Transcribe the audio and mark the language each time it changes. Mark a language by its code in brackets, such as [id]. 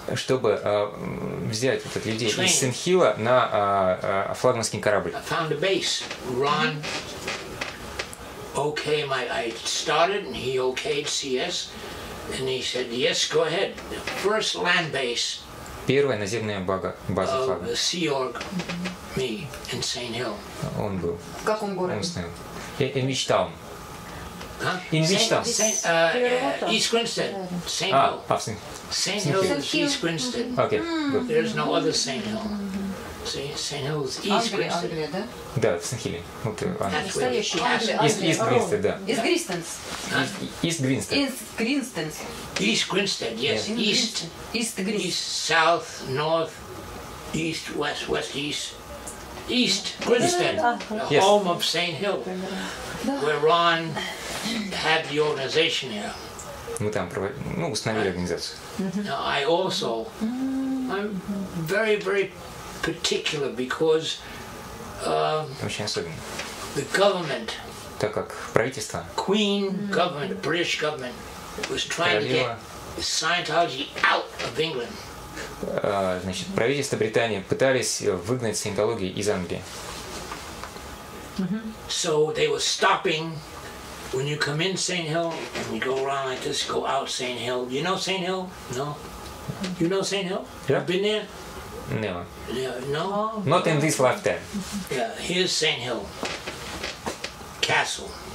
[ru] Чтобы взять вот этих людей из Сент-Хилла на флагманский корабль. [en] I found a base. Ron okay, I started and he okayed CS and he said, yes, go ahead. The first land base. [ru] Первая наземная база флага. [en] Of the Sea Org, me in Saint Hill. [ru] Он был. В каком городе? Он стоял. [en] In which town? Huh? In which town? East Grinstead. Saint Hill. Saint Hill. East Grinstead. Okay. Good. There's no other Saint Hill. Saint Hill's East Grinstead. [ru] Да, в Сент-Хилле. Вот, настоящий. East Grinstead, да. [en] East Grinstead. East Grinstead. East Grinstead. East Grinstead, yes. East. East Grinstead. East, south, north, east, west, west, east. East Grinstead. The home of Saint Hill. Where Ron had the organization here. [ru] Мы там проводили, ну, установили организацию. [en] Now, I also, I'm very, very particular because the government, [ru] так как правительство, [en] Queen government, British government, was trying to get Scientology out of England. [ru] Значит, правительство Британии пытались выгнать Саентологию из Англии. [en] So they were stopping when you come in Saint Hill and you go around like this, go out Saint Hill. You know Saint Hill? No. You know Saint Hill? Yeah. You've been there? No. No. Not in this lifetime. Yeah, here's Saint Hill. Castle.